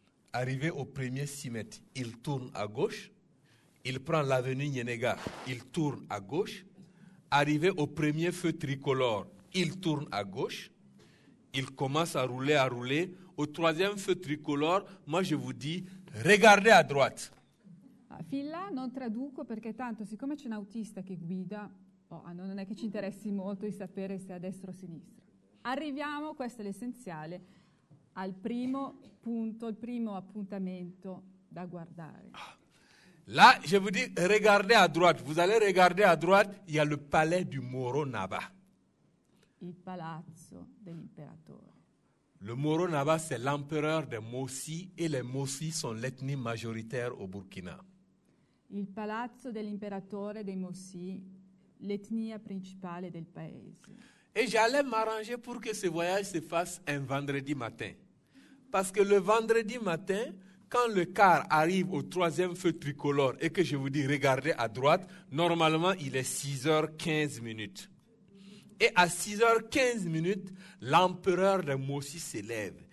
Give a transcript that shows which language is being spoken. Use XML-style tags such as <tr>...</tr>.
<fr>Arrivé au premier cimetre, il tourne à gauche. Il prend l'avenue Nyenega, il tourne à gauche. Arrivé au premier feu tricolore, il tourne à gauche. Il commence à rouler. Au troisième feu tricolore, moi je vous dis, regardez à droite. Fin là,</fr> <it>non traduco perché tanto, siccome c'è un autista che guida, non è che ci interessi molto di sapere se è a destra o a sinistra. Arriviamo, questo è l'essenziale, al primo punto, il primo appuntamento da guardare.</it> <fr>Là, je vous dis, regardez à droite. Vous allez regarder à droite, il y a le palais du Moro Naba.</fr> <it>Il palazzo dell'imperatore.</it> <fr>Le Moro Naba, c'est l'empereur des Mossi et les Mossi sont l'ethnie majoritaire au Burkina.</fr> <it>Il palazzo dell'imperatore dei Mossi, l'etnia principale del paese.</it> <fr>Et j'allais m'arranger pour que ce voyage se fasse un vendredi matin. Parce que le vendredi matin, quand le car arrive au troisième feu tricolore et que je vous dis regardez à droite, normalement il est 6h15. Et à 6h15, l'empereur de Mossi se lève.</fr>